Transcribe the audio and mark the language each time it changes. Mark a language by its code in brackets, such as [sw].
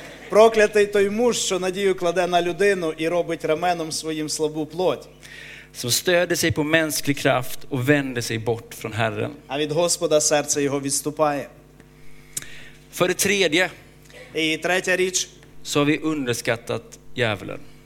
[uk] Проклятий той муж, що надію кладе на людину і робить раменом своїм слабу плоть. [sv] Som stöder sig på mänsklig kraft och vänder sig bort från Herren. [uk] А від Господа серце його відступає. [sv] För det tredje. [uk] І третя річ. [sv] Så har vi underskattat djävulen.